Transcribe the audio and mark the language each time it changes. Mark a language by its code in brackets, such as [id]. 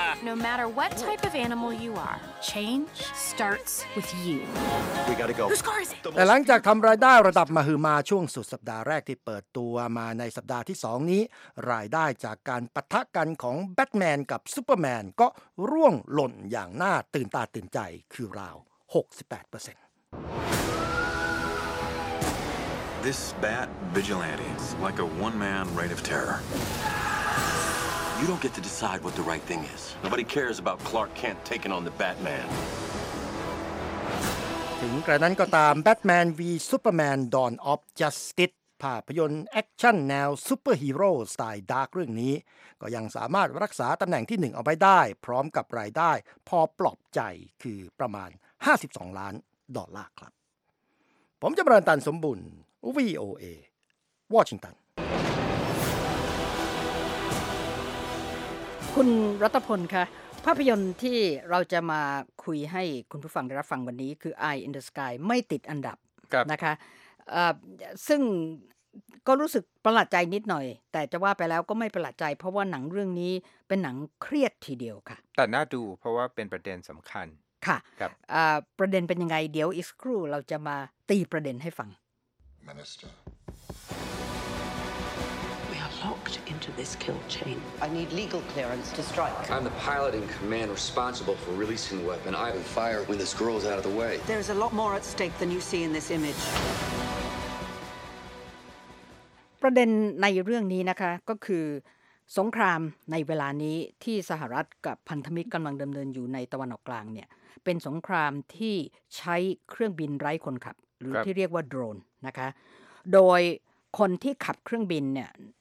[en] No matter what type of animal you are, change starts with you. We gotta go. Whose car is it? [th] แต่หลังจากทำรายได้ระดับมหึมาช่วงสุดสัปดาห์แรกที่เปิดตัวมาในสัปดาห์ที่สองนี้รายได้จากการปะทะกันของแบทแมนกับซูเปอร์แมนก็ร่วงหล่นอย่างน่าตื่นตาตื่นใจคือราว 68% [en] This bat vigilante is like a one-man reign of terror. You don't get to decide what the right thing is. Nobody cares about Clark Kent taking on the Batman. [th] ถึงกระนั้นก็ตาม Batman v Superman Dawn of Justice ภาพยนตร์แอคชั่นแนวซูเปอร์ฮีโร่สไตล์ดาร์กเรื่องนี้ก็ยังสามารถรักษาตำแหน่งที่1เอาไว้ได้พร้อมกับรายได้พอปลอบใจคือประมาณ52ล้านดอลลาร์ครับผมจะประเมินตันสมบูรณ์VOA Washington คุณรัตพลคะภาพยนตร์ที่เราจะมาคุยให้คุณผู้ฟังได้รับฟังวันนี้คือ Eye in the Sky ไม่ติดอันดับ นะคะซึ่งก็รู้สึกประหลาดใจนิดหน่อยแต่จะว่าไปแล้วก็ไม่ประหลาดใจเพราะว่าหนังเรื่องนี้เป็นหนังเครียดทีเดียวค่ะ แต่น่าดูเพราะว่าเป็นประเด็นสำคัญ ค่ะ ครับ ประเด็นเป็นยังไงเดี๋ยวอีกสักครู่เราจะมาตีประเด็นให้ฟังMinister. [en] We are locked into this kill chain. I need legal clearance to strike. I'm the pilot in command responsible for releasing the weapon. I will fire when this girl is out of the way. There is a lot more at stake than you see in this image. [th] ประเด็นในเรื่องนี้นะคะก็คือสงครามในเวลานี้ที่สหรัฐกับพันธมิตรกำลังดำเนินอยู่ในตะวันออกกลางเนี่ยเป็นสงครามที่ใช้เครื่องบินไร้คนขับหรือที่เรียกว่าโดรนนะคะโดยคนที่ขับเครื่องบินเนี่ย